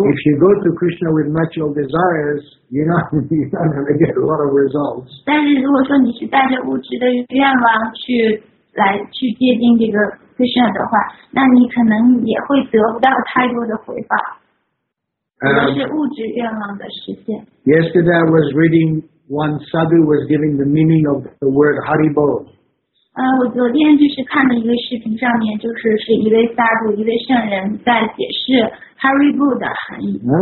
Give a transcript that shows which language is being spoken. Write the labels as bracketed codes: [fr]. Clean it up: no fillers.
[en] If you go to Krishna with material desires, you're not going to get a lot of results. [zh] 但是如果说你是带着物质的愿望去接近这个 Krishna 的话，那你可能也会得不到太多的回报。 [en] Yesterday I was reading one sadhu was giving the meaning of the word Haribol. [zh] 我昨天就是看了一个视频，上面就是一位 sadhu 一位圣人在解释 Haribol 的含义。